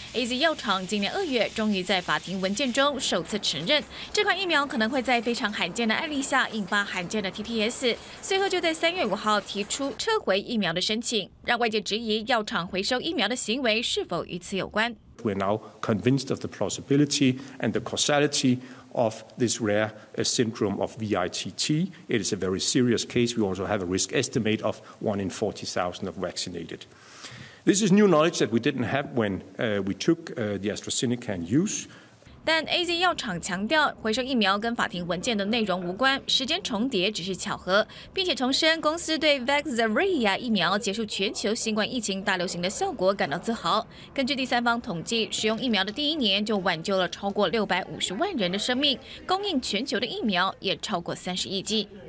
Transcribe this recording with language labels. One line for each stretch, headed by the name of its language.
Chinese: AZ 药厂今年2月终于在法庭文件中首次承认，这款疫苗可能会在非常罕见的案例下引发罕见的 TTS， 随后就在3月5号提出撤回疫苗的申请，让外界质疑药厂回收疫苗的行为是否与此有关。
English: We're now convinced of the plausibility and the causality of this rare syndrome of VITT. It is a very serious case. We also have a risk estimate of 1 in 40,000 of vaccinated. This is new knowledge that we didn't have when we took the AstraZeneca in use.
Chinese: 但 AZ 药厂强调，回收疫苗跟法庭文件的内容无关，时间重叠只是巧合，并且重申公司对 Vaxzevria 疫苗结束全球新冠疫情大流行的效果感到自豪。根据第三方统计，使用疫苗的第一年就挽救了超过650万人的生命，供应全球的疫苗也超过30亿剂。